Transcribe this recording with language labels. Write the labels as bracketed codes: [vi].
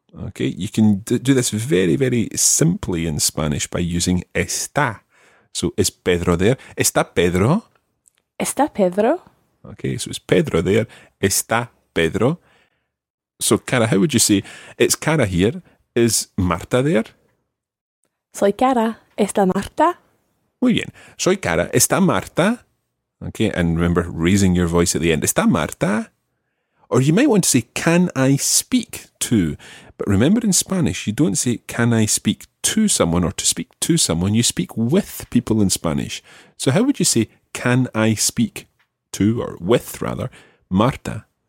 [en] Okay, you can do this very, very simply in Spanish by using está. So, is Pedro there? [es] ¿Está Pedro? ¿Está Pedro? [en] Okay, so is Pedro there? [es] ¿Está Pedro? [en] So, Cara, how would you say, it's Cara here, is Marta there? [es] Soy Cara, ¿está Marta? Muy bien, soy Cara, ¿está Marta? [en] Okay, and remember, raising your voice at the end, [es] ¿está Marta? [en] Or you might want to say, can I speak to? But remember in Spanish, you don't say, can I speak to someone or to speak to someone. You speak with people in Spanish. So how would you say, can I speak to, or with rather, Marta?